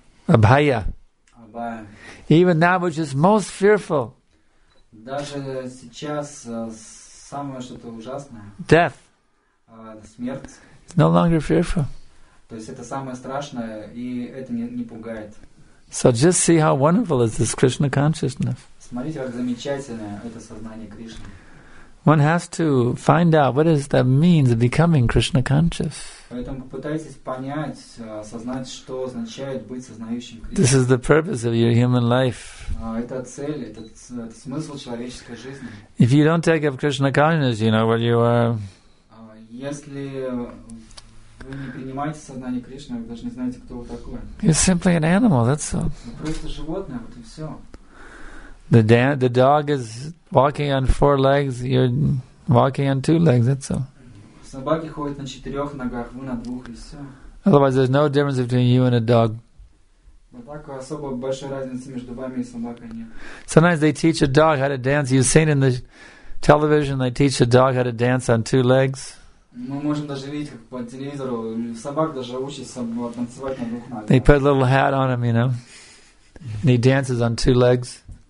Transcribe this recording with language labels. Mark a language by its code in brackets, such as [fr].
[sa] Abhaya. Abhaya. [en] Even that which is most fearful. [ru] Даже сейчас самое что-то ужасное. [en] Death. [ru] Смерть. [en] It's no longer fearful. [ru] То есть это самое страшное, и это не пугает. [en] So just see how wonderful is this Krishna consciousness. [ru] Смотрите, как замечательное это сознание Кришны. [en] One has to find out what is the means of becoming Krishna conscious. [ru] Поэтому попытайтесь понять, осознать, что означает быть сознающим Кришной. [en] This is the purpose of your human life. [ru] Это цель, это смысл человеческой жизни. [en] If you don't take up Krishna consciousness, you know what you are. [ru] Если вы не принимаете сознание Кришны, вы даже не знаете, кто вы такой. [en] You're simply an animal, that's all. [ru] Вы просто животное, вот и все. [en] The dog is walking on four legs, you're walking on two legs, that's all. [ru] Собаки ходят на четырех ногах, вы на двух, и все. [en] Otherwise, there's no difference between you and a dog. [ru] Вот так особо большой разницы между вами и собакой нет. [en] Sometimes they teach a dog how to dance. You've seen in the television, they teach a dog how to dance on two legs. [ru] Мы можем даже видеть, как по телевизору, собак даже учится танцевать на двух ногах. [en] They put a little hat on him, you know, and he dances on two legs.